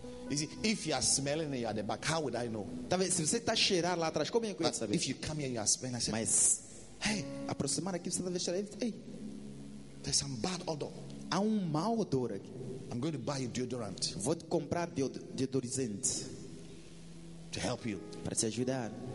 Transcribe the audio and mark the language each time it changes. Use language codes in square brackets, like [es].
[en] You see, if you are smelling and you are at the back, how would I know? [pt] Se você está cheirando lá atrás, como é que eu ia saber? [en] If you come here and you are smelling, I say, [pt] mas, hey, aproximar aqui, você está vendo? Hey, [en] there's some bad odor. [pt] Há mau odor aqui. [en] I'm going to buy you deodorant. [pt] Vou te comprar deodorizante. [en] To help you. [pt] Para te ajudar.